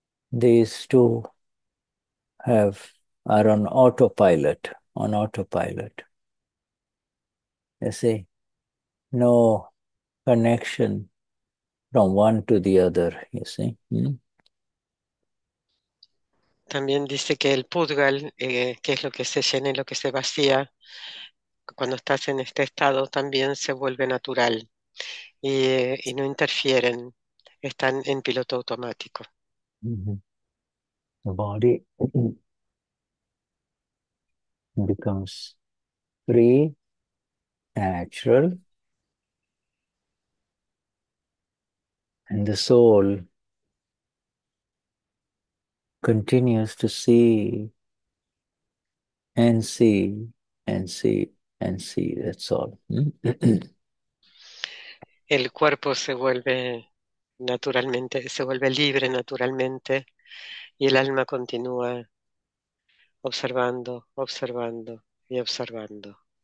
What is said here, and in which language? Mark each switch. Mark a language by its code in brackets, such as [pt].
[en] These two have are on autopilot, on autopilot. You see, no connection from one to the other, you see. [es] También dice que el pudgal, que es lo que se llena y lo que se vacía, cuando estás en este estado también se vuelve natural y no interfieren, están en piloto automático. [en] The body becomes free, natural, and the soul continues to see and see and see and see. That's all. [es] El cuerpo se vuelve naturalmente, se vuelve libre naturalmente y el alma continúa observando, observando y observando.